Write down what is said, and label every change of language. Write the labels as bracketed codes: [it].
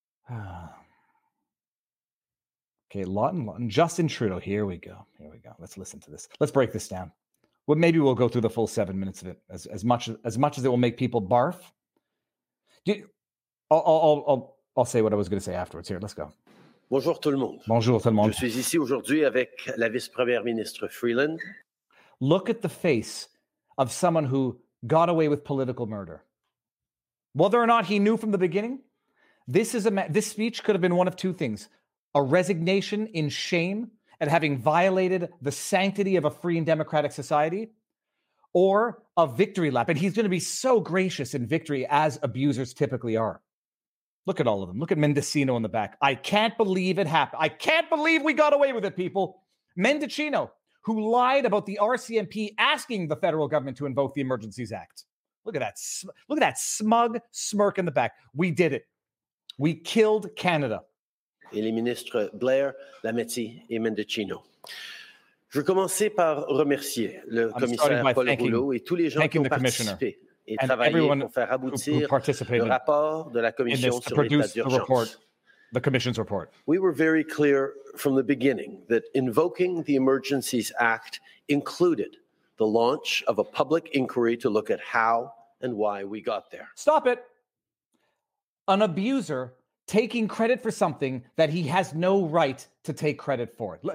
[en] Okay, Lawton. Justin Trudeau. Here we go. Let's listen to this. Let's break this down. Well, maybe we'll go through the full 7 minutes of it, as much as it will make people barf. I'll say what I was going to say afterwards. Here, let's go. [fr] Bonjour tout le monde. Bonjour tout le monde. Je suis ici aujourd'hui avec la vice-première ministre Freeland. [en] Look at the face of someone who got away with political murder. Whether or not he knew from the beginning, this speech could have been one of two things: a resignation in shame at having violated the sanctity of a free and democratic society, or a victory lap. And he's going to be so gracious in victory, as abusers typically are. Look at all of them. Look at Mendocino in the back. I can't believe it happened. I can't believe we got away with it, people. Mendocino, who lied about the RCMP asking the federal government to invoke the Emergencies Act. Look at that smug smirk in the back. We did it. We killed Canada. [fr] Et les ministres Blair, Lametti et Mendocino. Je vais commencer par remercier le commissaire Paul Rouleau et tous les gens qui ont participé et travaillé pour faire aboutir le rapport de la commission sur l'état d'urgence. [en] The commission's report. We were very clear from the beginning that invoking the Emergencies Act included the launch of a public inquiry to look at how and why we got there. Stop it. An abuser taking credit for something that he has no right to take credit for.